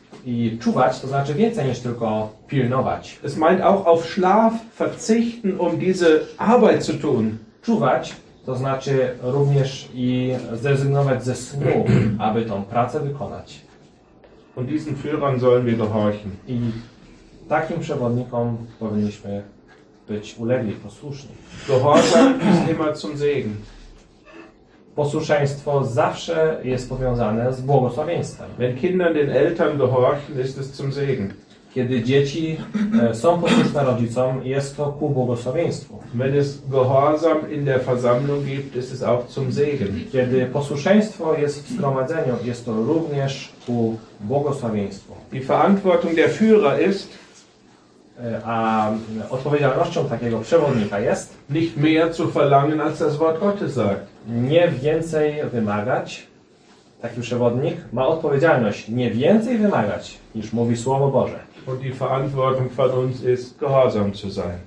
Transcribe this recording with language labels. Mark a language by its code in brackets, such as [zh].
[pl] I czuwać to znaczy więcej niż tylko pilnować. [de] Es meint auch auf Schlaf verzichten, um diese Arbeit zu tun. [pl] Czuwać to znaczy również i zrezygnować ze snu, aby tą pracę wykonać. [de] Und diesen Führern sollen wir gehorchen. [pl] I takim przewodnikom powinniśmy być ulegli, posłuszni. [de] Gehorsam ist immer zum Segen. [pl] Posłuszeństwo zawsze jest powiązane z błogosławieństwem. [de] Wenn Kinder den Eltern gehorchen, ist es zum Segen. [pl] Kiedy dzieci są posłuszne rodzicom, jest to ku błogosławieństwu. [de] Wenn es Gehorsam in der Versammlung gibt, ist es auch zum Segen. [pl] Kiedy posłuszeństwo jest w zgromadzeniu, jest to również ku błogosławieństwu. [de] Die Verantwortung der Führer ist, [pl] a odpowiedzialnością takiego przewodnika jest, [de] nicht mehr zu verlangen, als das Wort Gottes sagt. [pl] Nie więcej wymagać, taki przewodnik ma odpowiedzialność, nie więcej wymagać, niż mówi Słowo Boże. [de] Und die Verantwortung von uns ist, gehorsam zu sein.